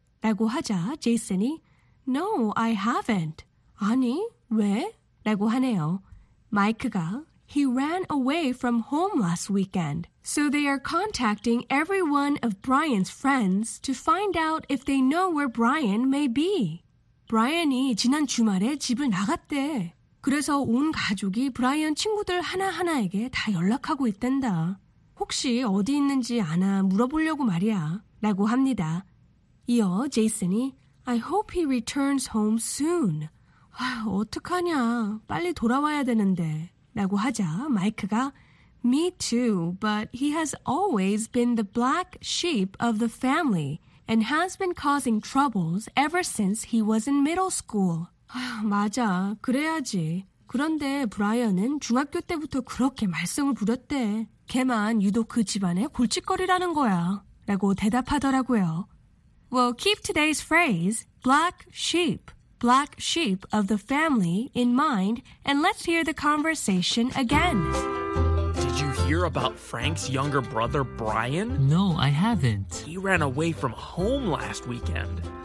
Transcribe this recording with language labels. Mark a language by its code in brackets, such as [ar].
[ko] 라고 하자 제이슨이 [en] No, I haven't. [ko] 아니, 왜? 라고 하네요. 마이크가 [en] He ran away from home last weekend. So they are contacting every one of Brian's friends to find out if they know where Brian may be. [ko] Brian이 지난 주말에 집을 나갔대. 그래서 온 가족이 브라이언 친구들 하나하나에게 다 연락하고 있단다. 혹시 어디 있는지 아나 물어보려고 말이야. 라고 합니다. 이어 제이슨이 [en] I hope he returns home soon. [ko] 아, 어떡하냐. 빨리 돌아와야 되는데. 라고 하자 마이크가 [en] Me too, but he has always been the black sheep of the family and has been causing troubles ever since he was in middle school. [ko] 아, 맞아, 그래야지. 그런데 브라이언은 중학교 때부터 그렇게 말썽을 부렸대. 걔만 유독 그 집안의 골칫거리라는 거야. 라고 대답하더라고요. [en] Well, keep today's phrase, black sheep of the family, in mind, and let's hear the conversation again. Hear about Frank's younger brother, Brian? No, I haven't. He ran away from home last weekend.